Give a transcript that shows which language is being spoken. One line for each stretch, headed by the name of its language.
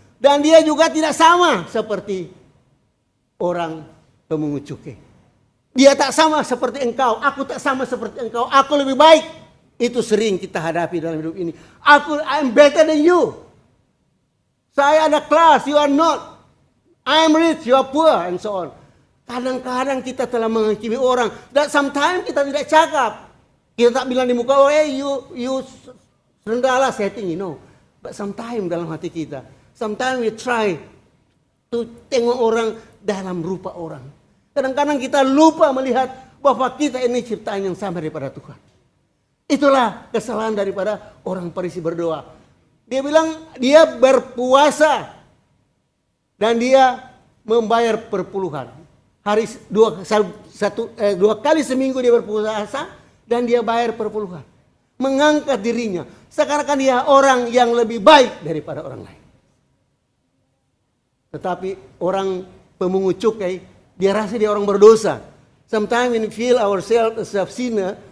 Malay: Dan dia juga tidak sama seperti orang pemungut cukai. Dia tak sama seperti engkau, aku tak sama seperti engkau, aku lebih baik. Itu sering kita hadapi dalam hidup ini. Aku,
English: I'm better than you.
Malay: Saya ada
English: class, you are not. I'm rich, you are poor, and so on.
Malay: Kadang-kadang kita telah menghakimi orang. Dan sometimes kita tidak cakap. Kita tak bilang di muka,
English: oh, hey, you
Malay: rendahlah, saya tinggi.
English: No. But sometimes
Malay: dalam hati kita,
English: sometimes we try to
Malay: tengok orang dalam rupa orang. Kadang-kadang kita lupa melihat bahwa kita ini ciptaan yang sama daripada Tuhan. Itulah kesalahan daripada orang Farisi berdoa. Dia bilang dia berpuasa dan dia membayar perpuluhan. Dua kali seminggu dia berpuasa dan dia bayar perpuluhan. Mengangkat dirinya. Sekarang kan dia orang yang lebih baik daripada orang lain. Tetapi orang pemungut cukai, dia rasa dia orang berdosa.
English: Sometimes we feel ourselves as a sinner.